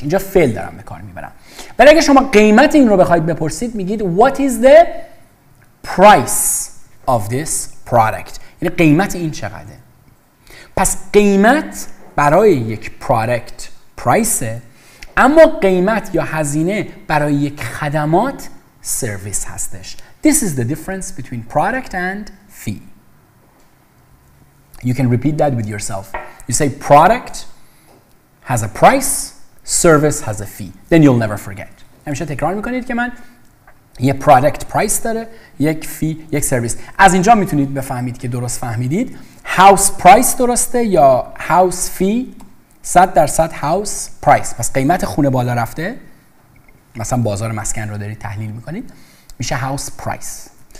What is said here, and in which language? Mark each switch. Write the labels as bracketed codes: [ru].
[fa] اینجا فعل دارم به کار میبرم. ولی اگه شما قیمت این رو بخواید بپرسید میگید [en] what is the price of this product، [fa] یعنی قیمت این چقدره. پس قیمت برای یک product price، اما قیمت یا هزینه برای یک خدمات service هستش. [en] This is the difference between product and fee. You can repeat that with yourself. You say product has a price, service has a fee. Then you'll never forget. [fa] همیشه تکرار میکنید که من یه product price داره، یک fee، یک service. از اینجا میتونید بفهمید که درست فهمیدید. House price درسته یا house fee؟ 100% house price. پس قیمت خونه بالا رفته، مثلا بازار مسکن رو دارید تحلیل میکنید، میشه house price.